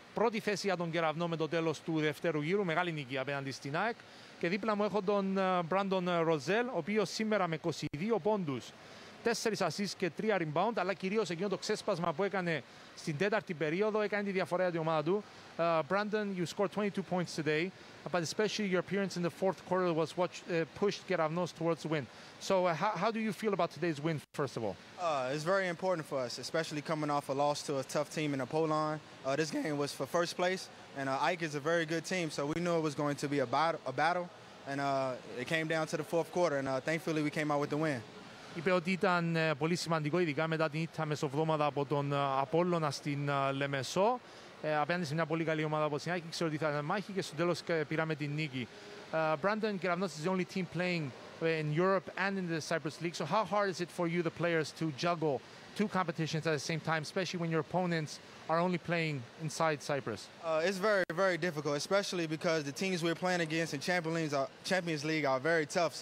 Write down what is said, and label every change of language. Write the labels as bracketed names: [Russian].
[Greek] Πρώτη θέση για τον Κεραυνό με το τέλος του δεύτερου γύρου. Μεγάλη νίκη απέναντι στην ΑΕΚ. Και δίπλα μου έχω τον Μπράντον Ροζέλ, ο οποίος σήμερα με 22 πόντους, 4 ασίστ και 3 rebound, αλλά κυρίως εκείνο το ξέσπασμα που έκανε στην τέταρτη περίοδο, έκανε τη διαφορά για την ομάδα του. [English] Μπράντον, you scored 22 points today, but especially your appearance in the fourth quarter was pushed Κεραυνός towards the win. So how do you feel about today's win, first of all? It's very important for us, especially coming off a loss to a tough team in Apollon. This game was for first place. And Ike is a very good team, so we knew it was going to be a battle. And it came down to the fourth quarter, and thankfully we came out with the win. [Greek] Είπε ότι ήταν πολύ σημαντικό, ειδικά μετά την ήττα μεσοβδόμαδα από τον Απόλλωνα στην Λεμεσό. Απέναντι σε μια πολύ καλή ομάδα από την Ike, ξέρω ότι ήταν μάχη και στο τέλος πήραμε την νίκη. [English] Brandon Kiravnos is the only team playing in Europe and in the Cyprus League. So how hard is it for you, the players, to juggle two competitions at the same time, especially when your opponents are only playing inside Cyprus? It's very, very difficult, especially because the teams we're playing against in Champions League are very tough.